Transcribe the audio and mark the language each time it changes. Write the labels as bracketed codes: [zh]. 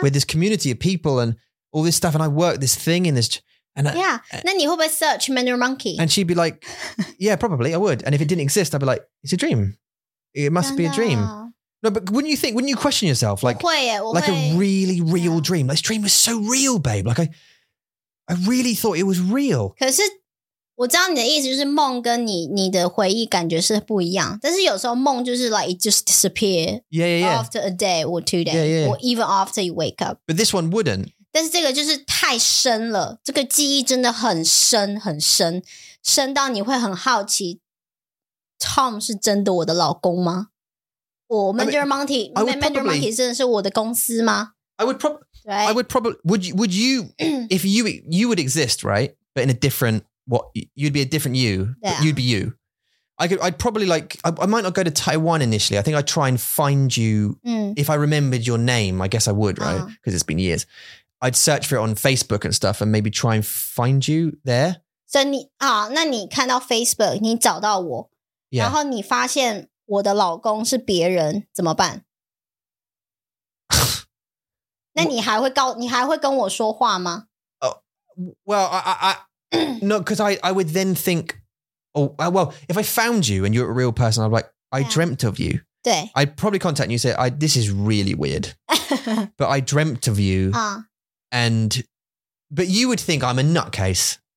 [en] we had this community of people and all this stuff. And I worked this thing in this. And yeah. Then you hope I search Mender Monkey. And she'd be like, yeah, probably I would. And if it didn't exist, I'd be like, it's a dream. It must be a dream. No, but wouldn't you question yourself? Like, [zh] 我会, [en] like a really real yeah. dream. Like, this dream was so real, babe. Like I really thought it was real. [zh] 可是我知道你的意思就是梦跟你的回忆感觉是不一样。但是有时候梦就是 [en] like, it just disappear. Yeah, yeah, yeah. After a day or 2 days. Yeah, yeah, yeah. Or even after you wake up. But this one wouldn't. [zh] 但是这个就是太深了。这个记忆真的很深很深。深到你会很好奇 Tom 是真的我的老公吗？我 Mender Monkey, Mender Monkey 真的是我的公司吗？ [en] Right. I would probably, would you, if you would exist, right? But in a different, what, you'd be a different you, yeah. but you'd be you. I might not go to Taiwan initially. I think I'd try and find you. Mm. If I remembered your name, I guess I would, right? Because uh-huh. it's been years. I'd search for it on Facebook and stuff and maybe try and find you there. [zh] So, 那你看到 Facebook, 你找到我。 [en] Yeah. [zh] 然后你发现我的老公是别人,怎么办? 那你还会告你还会跟我说话吗？ [en] Well, I no, because I would then think, oh, well, if I found you and you're a real person, I'd be like, I yeah. dreamt of you. [zh] 对。 [en] I'd probably contact you and say, this is really weird, but I dreamt of you. And, but you would think I'm a nutcase.